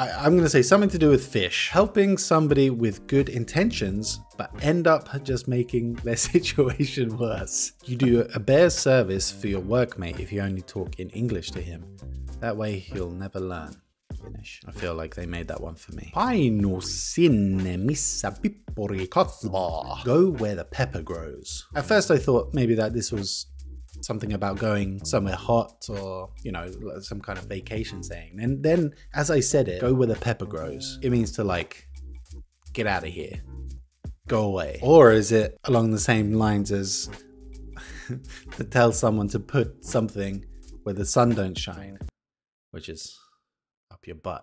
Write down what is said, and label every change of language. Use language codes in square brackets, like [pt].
[en] I'm going to say something to do with fish. Helping somebody with good intentions, but end up just making their situation worse. You do a bear service for your workmate if you only talk in English to him. That way he'll never learn. Finnish. I feel like they made that one for me. [fi] Painu sinne, missä pippuri kasvaa. [en] Go where the pepper grows. At first I thought maybe that this was something about going somewhere hot or, you know, some kind of vacation saying. And then as I said it, go where the pepper grows. It means to like, get out of here. Go away. Or is it along the same lines as to tell someone to put something where the sun don't shine, which is up your butt.